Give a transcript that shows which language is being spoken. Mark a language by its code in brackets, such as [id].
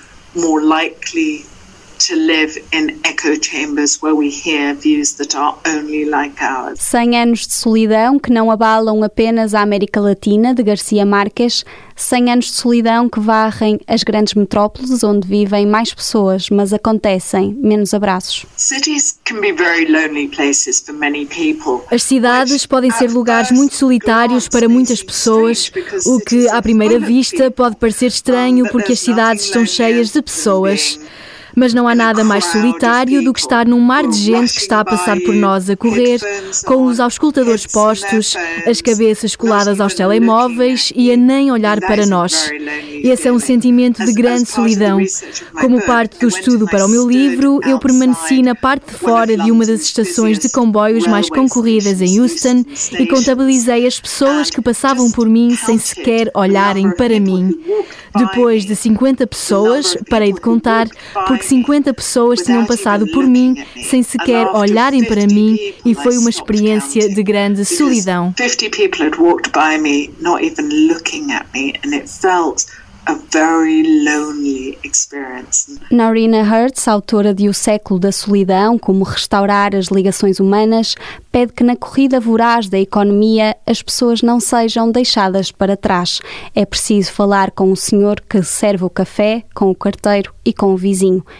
[en] To live in echo chambers where we hear views that are only like ours. [pt] 100 anos de solidão que não abalam apenas a América Latina, de García Márquez. 100 anos de solidão que varrem as grandes metrópoles onde vivem mais pessoas, mas acontecem menos abraços. [en] Cities can be very lonely places for many people. [pt] As cidades podem ser lugares muito solitários para muitas pessoas, o que à primeira vista pode parecer estranho porque as cidades estão cheias de pessoas. Mas não há nada mais solitário do que estar num mar de gente que está a passar por nós a correr, com os auscultadores postos, as cabeças coladas aos telemóveis e a nem olhar para nós. Esse é um sentimento de grande solidão. Como parte do estudo para o meu livro, eu permaneci na parte de fora de uma das estações de comboios mais concorridas em Houston e contabilizei as pessoas que passavam por mim sem sequer olharem para mim. Depois de 50 pessoas, parei de contar, porque 50 pessoas tinham passado por mim sem sequer olharem para mim e foi uma experiência de grande solidão. [en] 50 people had walked by me not even looking at me and it felt a very lonely experience. [pt] Norina Hertz, autora de O Século da Solidão, Como Restaurar as Ligações Humanas, pede que na corrida voraz da economia as pessoas não sejam deixadas para trás. É preciso falar com o senhor que serve o café, com o carteiro e com o vizinho.